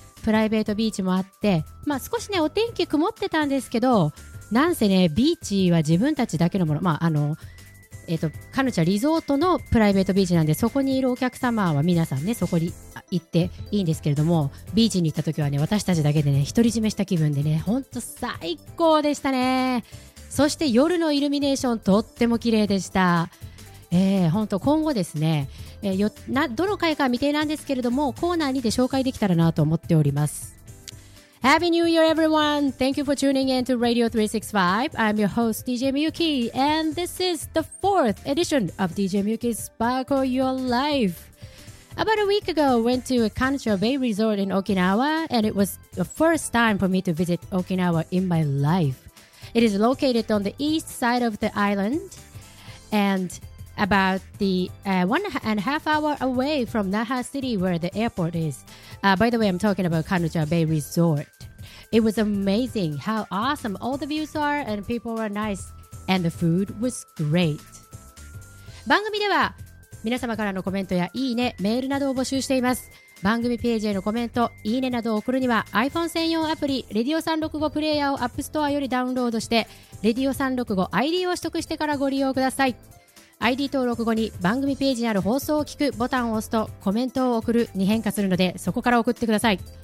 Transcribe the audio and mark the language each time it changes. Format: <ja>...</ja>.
<ja>プライベートビーチもあって、まあ、少しねお天気曇ってたんですけど、なんせねビーチは自分たちだけのもの、まあカヌチャリゾートのプライベートビーチなんで、そこにいるお客様は皆さんね、そこに行っていいんですけれども、ビーチに行った時はね、私たちだけでね独り占めした気分でね、ほんと最高でしたね。そして夜のイルミネーションとっても綺麗でした。ほんと今後ですね、どの回か未定なんですけれども、コーナーにて紹介できたらなと思っております。</ja> <en>Happy New Year, everyone! Thank you for tuning in to Radio 365. I'm your host, DJ Miyuki, and this is the fourth edition of DJ Miyuki's Sparkle Your Life. About a week ago, I went to a Kancha Bay Resort in Okinawa, and it was the first time for me to visit Okinawa in my life. It is located on the east side of the island, and about the 1.5 hours away from Naha City, where the airport is. By the way, I'm talking about Kancha Bay Resort. It was amazing how awesome all the views are, and people were nice, and the food was great.</en> <ja>番組では皆様からのコメントやいいね、メールなどを募集しています。番組ページへのコメント、いいねなどを送るには iPhone 専用アプリ、Radio 365プレイヤーを App Store よりダウンロードして、Radio 365 ID を取得してからご利用ください。 ID 登録後に番組ページにある放送を聞くボタンを押すとコメントを送るに変化するので、そこから送ってください。</ja>